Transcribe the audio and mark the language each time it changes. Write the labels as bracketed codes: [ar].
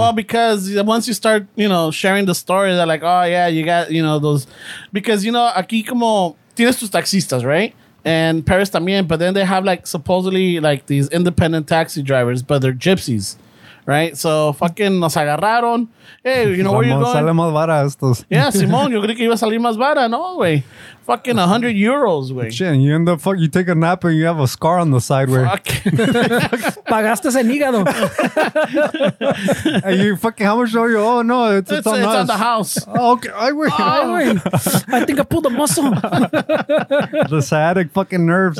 [en] Well, because once you start, you know, sharing the story, they're like, oh yeah, you got, you know, those, because you know, aquí como tienes tus taxistas, right? And Paris también, but then they have like supposedly like these independent taxi drivers, but they're gypsies. Right, so fucking nos agarraron. Hey, you know where you're going? [es] Sale más vara estos. Yeah, Simón, yo creí que iba a salir más vara, no, güey. [en] Fucking 100 euros, güey. Shit, you end up, fuck, you take a nap and you have a scar on the side, güey. Fuck. [es] Pagaste ese hígado. [en] And you fucking, how much are you? Oh, no, it's on us. It's on the house. Oh, okay, I I think I pulled a muscle. The sciatic fucking nerves.